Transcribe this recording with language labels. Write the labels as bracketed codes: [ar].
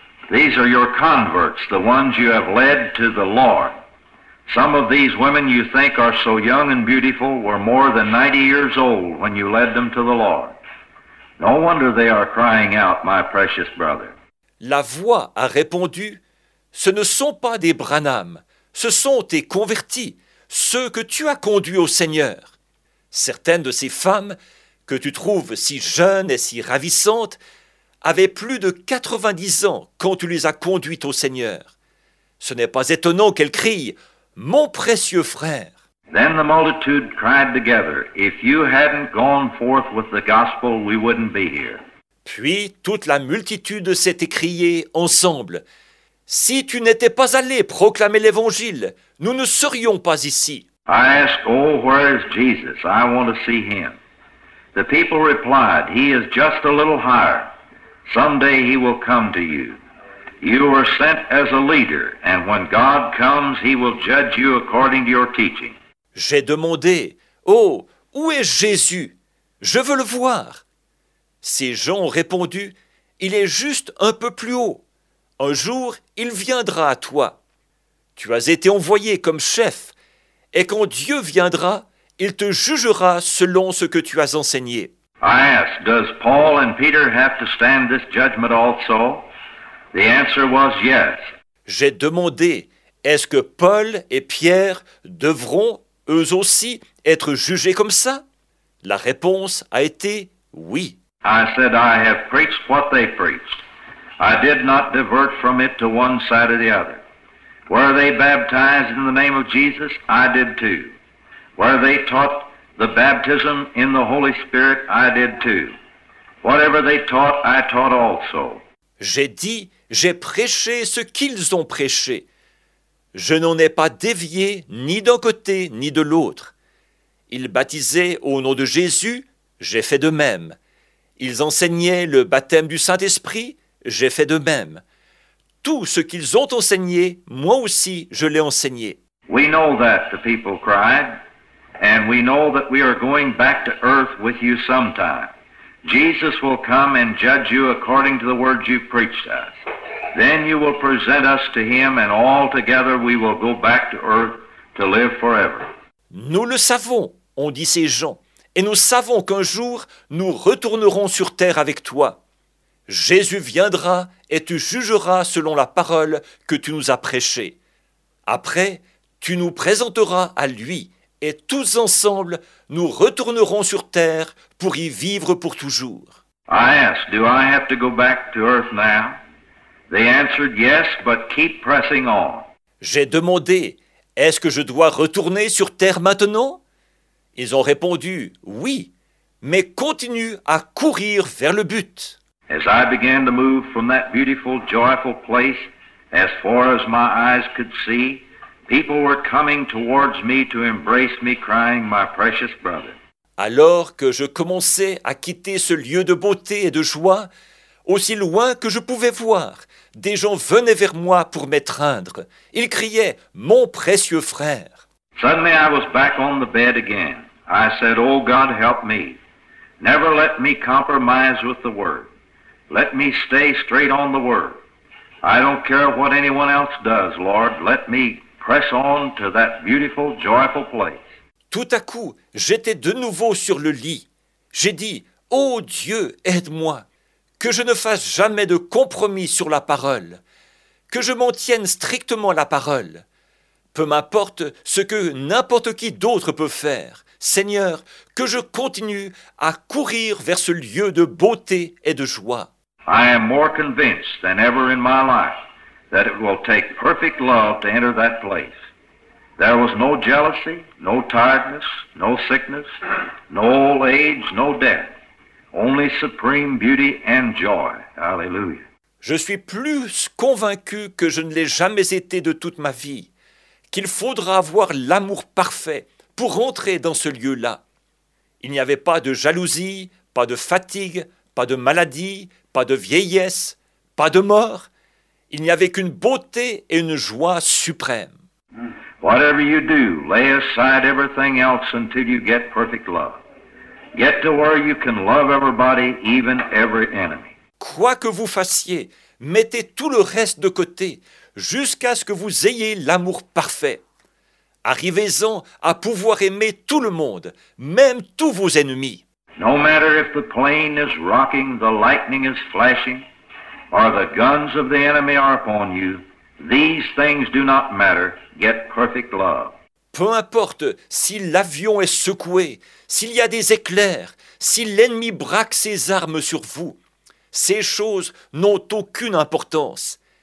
[en] These are your converts, the ones you have led to the Lord. Some of these women you think are so young and beautiful were more than 90 years old when you led them to the Lord. No wonder they are crying out, my precious brother." [fr] La voix a répondu, "Ce ne sont pas des Branham, ce sont tes convertis, ceux que tu as conduits au Seigneur. Certaines de ces femmes, que tu trouves si jeunes et si ravissantes, avaient plus de 90 ans quand tu les as conduites au Seigneur. Ce n'est pas étonnant qu'elles crient, mon précieux frère." [en] Then the multitude cried together, "If you hadn't gone forth with the gospel, we wouldn't be here." [fr] Puis toute la multitude s'est écriée ensemble, "Si tu n'étais pas allé proclamer l'évangile, nous ne serions pas ici." [en] I asked, "Oh, where is Jesus? I want to see him." The people replied, "He is just a little higher. Someday he will come to you. You were sent as a leader, and when God comes, he will judge you according to your teaching." [fr] J'ai demandé, "Oh, où est Jésus? Je veux le voir." Ces gens ont répondu, "Il est juste un peu plus haut. Un jour, il viendra à toi. Tu as été envoyé comme chef, et quand Dieu viendra, il te jugera selon ce que tu as enseigné." [en] I asked, "Does Paul and Peter have to stand this judgment also?" The answer was yes. [fr] J'ai demandé, Est-ce que Paul et Pierre devront eux aussi être jugés comme ça? La réponse a été oui. [en] I said I have preached what they preached. I did not divert from it to one side or the other. Were they baptized in the name of Jesus? I did too. Were they taught the baptism in the Holy Spirit? I did too. Whatever they taught, I taught also. [fr] J'ai dit, j'ai prêché ce qu'ils ont prêché. Je n'en ai pas dévié ni d'un côté ni de l'autre. Ils baptisaient au nom de Jésus, j'ai fait de même. Ils enseignaient le baptême du Saint-Esprit, j'ai fait de même. Tout ce qu'ils ont enseigné, moi aussi, je l'ai enseigné. [en] We know that, the people cried, and we know that we are going back to earth with you sometime. Jesus will come and judge you according to the words you preached us. Then you will present us to him, and all together we will go back to earth to live forever. [fr] Nous le savons, ont dit ces gens, et nous savons qu'un jour nous retournerons sur terre avec toi. Jésus viendra et tu jugeras selon la parole que tu nous as prêchée. Après, tu nous présenteras à lui et tous ensemble, nous retournerons sur terre pour y vivre pour toujours. [en] I asked, do I have to go back to earth now? They answered, yes, but keep pressing on. [fr] J'ai demandé, est-ce que je dois retourner sur terre maintenant? Ils ont répondu, oui, mais continue à courir vers le but. [en] As I began to move from that beautiful, joyful place, as far as my eyes could see, people were coming towards me to embrace me, crying, my precious brother. [fr] Alors que je commençais à quitter ce lieu de beauté et de joie, aussi loin que je pouvais voir, des gens venaient vers moi pour m'étreindre. Ils criaient, mon précieux frère. [en] Suddenly I was back on the bed again. I said, oh God, help me. Never let me compromise with the word. Let me stay straight on the word. I don't care what anyone else does, Lord. Let me press on to that beautiful, joyful place. [fr] Tout à coup, j'étais de nouveau sur le lit. J'ai dit, oh Dieu, aide-moi. Que je ne fasse jamais de compromis sur la parole. Que je m'en tienne strictement la parole. Peu m'importe ce que n'importe qui d'autre peut faire. Seigneur, que je continue à courir vers ce lieu de beauté et de joie. [en] I am more convinced than ever in my life that it will take perfect love to enter that place. There was no jealousy, no tiredness, no sickness, no old age, no death. Only supreme beauty and joy. Hallelujah. [fr] Je suis plus convaincu que je ne l'ai jamais été de toute ma vie, qu'il faudra avoir l'amour parfait pour entrer dans ce lieu-là. Il n'y avait pas de jalousie, pas de fatigue, pas de maladie, pas de vieillesse, pas de mort. Il n'y avait qu'une beauté et une joie suprême. [en] Whatever you do, lay aside everything else until you get perfect love. Get to where you can love everybody, even every enemy. [fr] Quoi que vous fassiez, mettez tout le reste de côté, jusqu'à ce que vous ayez l'amour parfait. Arrivez-en à pouvoir aimer tout le monde, même tous vos ennemis. [en] No matter if the plane is rocking, the lightning is flashing, or the guns of the enemy are upon you, these things do not matter. Get perfect love. [fr] Peu importe si l'avion est secoué, s'il y a des éclairs, si l'ennemi braque ses armes sur vous, ces choses n'ont aucune importance.